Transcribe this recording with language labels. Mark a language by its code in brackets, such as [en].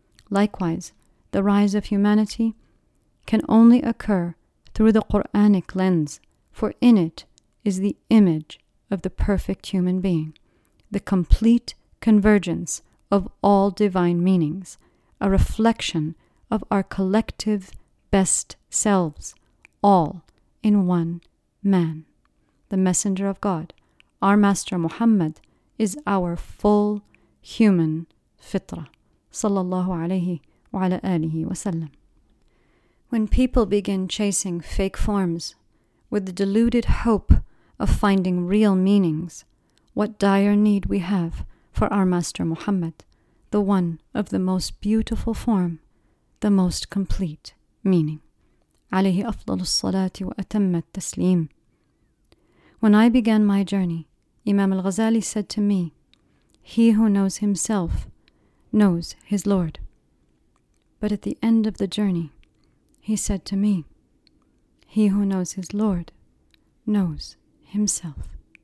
[en] Likewise, the rise of humanity can only occur through the Quranic lens, for in it is the image of the perfect human being, the complete convergence of all divine meanings, a reflection of our collective best selves, all in one man. The Messenger of God, our Master Muhammad, is our full human, [ar] فطرة, صلى الله عليه وعلى آله وسلم. [en] When people begin chasing fake forms with the deluded hope of finding real meanings, what dire need we have for our Master Muhammad, the one of the most beautiful form, the most complete meaning. [ar] عليه أفضل الصلاة وأتم التسليم. [en] When I began my journey, Imam al-Ghazali said to me, "He who knows himself knows his Lord." But at the end of the journey, he said to me, "He who knows his Lord knows himself."